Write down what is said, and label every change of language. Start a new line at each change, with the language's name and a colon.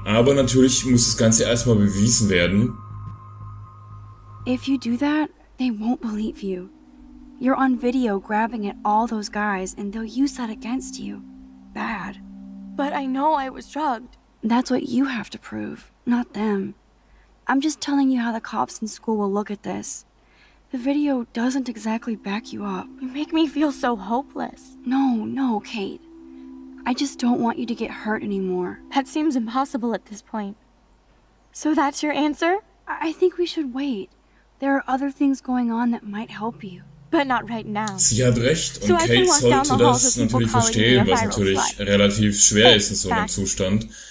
German: Aber natürlich muss das Ganze erstmal bewiesen werden.
English: If you do that, they won't believe you. You're on video grabbing at all those guys and they'll use that against you. Bad. But I know I was drugged. That's what you have to prove, not them. I'm just telling you how the cops in school will look at this. The video doesn't exactly back you up. You make me feel so hopeless. No, Kate. I just don't want you to get hurt anymore. That seems impossible at this point. So that's your answer? I think we should wait. There are other things going on that might help you. But not right now.
German: Sie hat recht, und so Kate sollte das natürlich verstehen, was natürlich relativ schwer ist in so einem Zustand.